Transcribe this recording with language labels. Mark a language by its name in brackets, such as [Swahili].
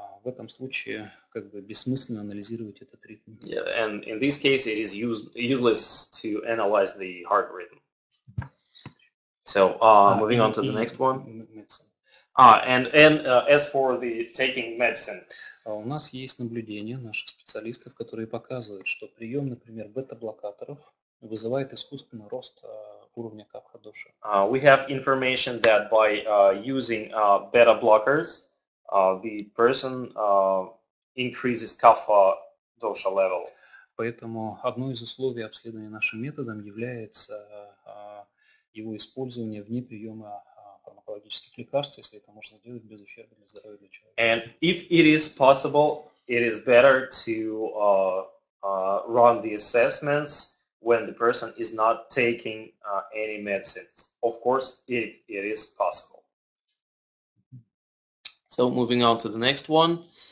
[Russian] В этом случае как бы бессмысленно анализировать этот ритм. [English] Yeah, and in this case it is useless to analyze the heart rhythm. So, moving on to the next one. Medicine. As for the taking medicine. [Russian] У нас есть наблюдения наших специалистов, которые показывают, что прием, например, бета-блокаторов вызывает искусственный рост уровня капха души. [English] We have information that by using beta blockers, the person increases kapha dosha level. [Russian] Поэтому одно из условий обследования нашим методом является его использование вне приема фармакологических лекарств, если это можно сделать без ущерба для здоровья человека. [English] And if it is possible, it is better to run the assessments when the person is not taking any medicines, of course, if it is possible. So moving on to the next one.